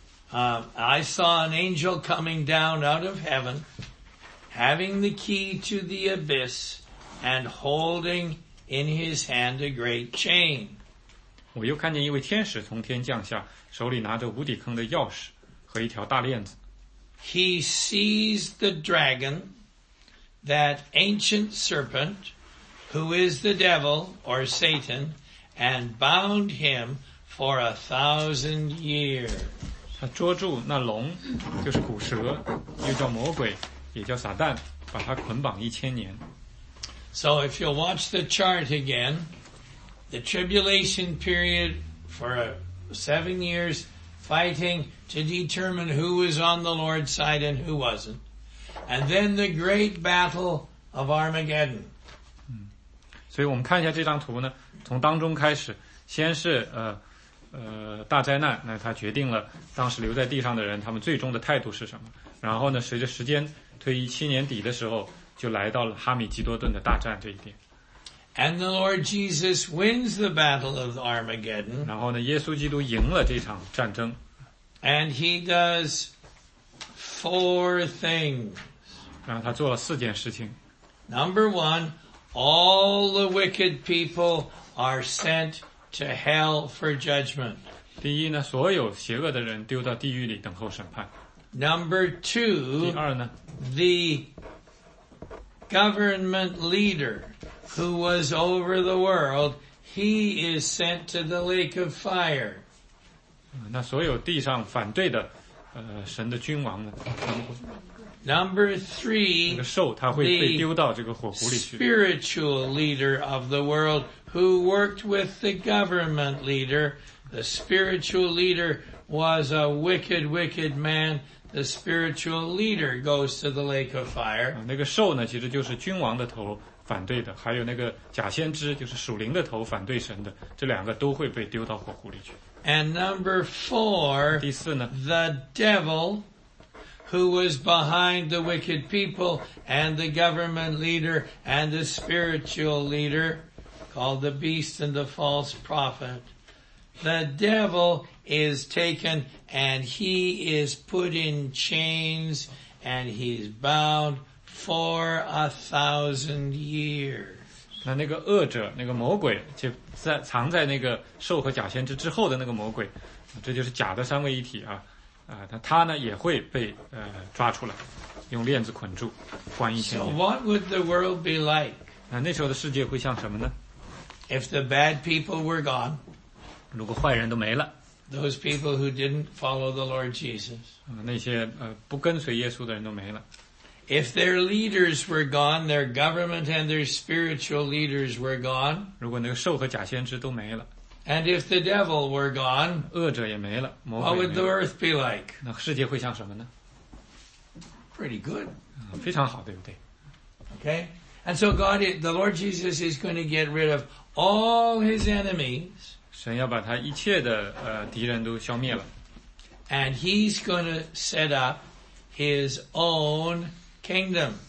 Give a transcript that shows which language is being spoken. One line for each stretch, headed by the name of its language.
English: I saw an angel coming down out of heaven, having the key to the abyss and holding in his hand a great chain.
Chinese: 我又看见一位天使从天降下，手里拿着无底坑的钥匙和一条大链子。
English: He seized the dragon, that ancient serpent, who is the devil or Satan, and bound him for 1,000 years.
Chinese: 他捉住那龙，就是古蛇，又叫魔鬼，也叫撒旦，把他捆绑1,000年。
English: So if you'll watch the chart again, the tribulation period for 7 years fighting to determine who was on the Lord's side and who wasn't. And then the great battle of Armageddon.
Chinese: 所以我们看一下这张图呢，从当中开始，先是大灾难，那他决定了当时留在地上的人他们最终的态度是什么。然后呢，随着时间推移，2017年底的时候，就来到了哈米基多顿的大战这一点。
English: And the Lord Jesus wins the battle of Armageddon.
Chinese: 然后呢，耶稣基督赢了这场战争。
English: And he does 4 things.
Chinese: 然后他做了4件事情。
English: Number 1, all the wicked people are sent to hell for judgment.
Chinese: 第一呢，所有邪恶的人丢到地狱里等候审判。
English: Number 2,
Chinese: 第二呢，
English: the government leader who was over the world, he is sent to the lake of fire.
Chinese: 那所有地上反对的神的君王呢，
English: Number 3,
Chinese: 那个兽他会被丢到这个火湖里去。
English: The spiritual leader of the world who worked with the government leader, the spiritual leader was a wicked, wicked man. The spiritual leader goes to the lake of fire.
Chinese: 那个兽呢，其实就是君王的头反对的，还有那个假先知，就是属灵的头反对神的，这两个都会被丢到火湖里去。
English: And number 4,
Chinese: 第四呢，
English: the devil who was behind the wicked people and the government leader and the spiritual leader called the beast and the false prophet. The devil is taken and he is put in chains and he's bound for 1,000 years.
Chinese: 那那个恶者，那个魔鬼，就在藏在那个兽和假先知之后的那个魔鬼，这就是假的三位一体啊。他呢也会被抓出来，用链子捆住，关1,000年。
English: So what would the world be like?
Chinese: 那时候的世界会像什么呢？
English: If the bad people were gone,
Chinese: 如果坏人都没了，
English: those people who didn't follow the Lord Jesus,
Chinese: 那些不跟随耶稣的人都没了。
English: If their leaders were gone, their government and their spiritual leaders were gone,
Chinese: 如果那个兽和假先知都没了。
English: And if the devil were gone,
Chinese: 恶者也没了，魔鬼也没了。
English: What would the earth be like?
Chinese: 那世界会像什么呢？
English: Pretty good.
Chinese: 非常好，对不对？
English: Okay. And so God, the Lord Jesus is going to get rid of all his enemies.
Chinese: 神要把他一切的敌人都消灭了。
English: And he's going to set up his own kingdom.